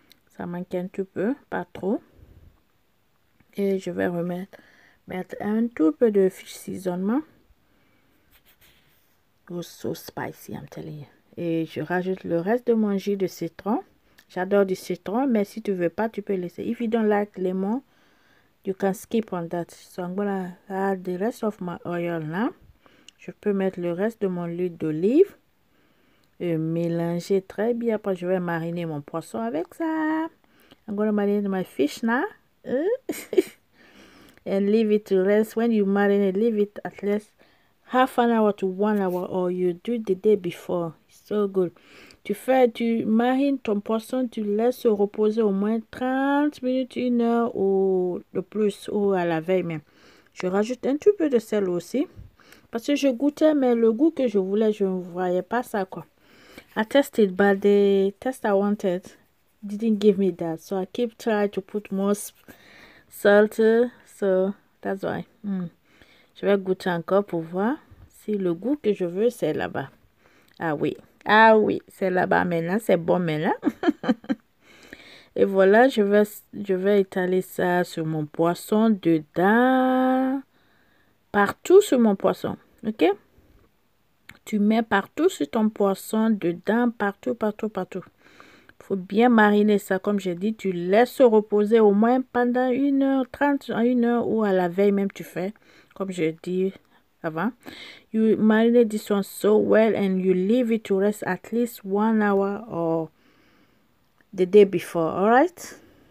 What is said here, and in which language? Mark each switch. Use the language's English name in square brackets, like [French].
[French] Ça manque un tout peu, pas trop. Et je vais mettre un tout peu de fish seasoning. [English] Oh, so spicy, I'm telling you. [French] Et je rajoute le reste de mon jus de citron. J'adore du citron, mais si tu veux pas, tu peux laisser. [English] If you don't like lemon, you can skip on that. So I'm gonna add the rest of my oil now. [French] Je peux mettre le reste de mon huile d'olive et mélanger très bien. Après, je vais mariner mon poisson avec ça. [English] I'm gonna marinate my fish now. And leave it to rest. When you marinate, leave it at least half an hour to 1 hour, or you do the day before. So good. [French] Tu marines ton poisson, tu laisses se reposer au moins 30 minutes, 1 heure ou de plus, ou à la veille même. Je rajoute un tout peu de sel aussi. Parce que je goûtais, mais le goût que je voulais, je ne voyais pas ça quoi. [English] I tested, but the test I wanted didn't give me that. So I keep trying to put more salt. So that's why. [French] Je vais goûter encore pour voir si le goût que je veux, c'est là-bas. Ah oui. Ah oui, c'est là-bas maintenant, c'est bon maintenant. Et voilà, je vais étaler ça sur mon poisson, dedans, partout sur mon poisson, ok? Tu mets partout sur ton poisson, dedans, partout, partout, partout. Il faut bien mariner ça, comme j'ai dit, tu laisses reposer au moins pendant 1 heure, 30, 1 heure, ou à la veille même tu fais, comme j'ai dit. [English] Avant, you marinate this one so well and you leave it to rest at least 1 hour or the day before, alright?